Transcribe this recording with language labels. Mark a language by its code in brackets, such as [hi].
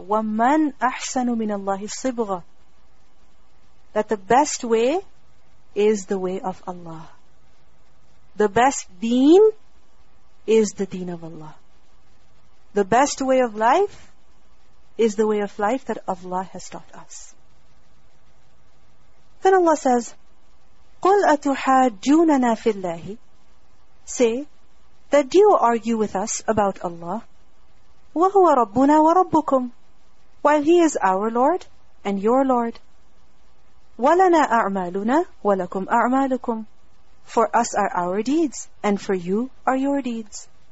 [ar] وَمَنْ أَحْسَنُ مِنَ اللَّهِ صِبْغَةً. [en] That the best way is the way of Allah. The best deen is the deen of Allah. The best way of life is the way of life that Allah has taught us. Then Allah says, [ar] قُلْ أَتُحَاجُّونَنَا فِي اللَّهِ. [en] Say, that you argue with us about Allah. [ar] وَهُوَ رَبُّنَا وَرَبُّكُمْ. [en] While He is our Lord and your Lord. [ar] وَلَنَا أَعْمَالُنَا وَلَكُمْ أَعْمَالُكُمْ. [en] For us are our deeds, and for you are your deeds.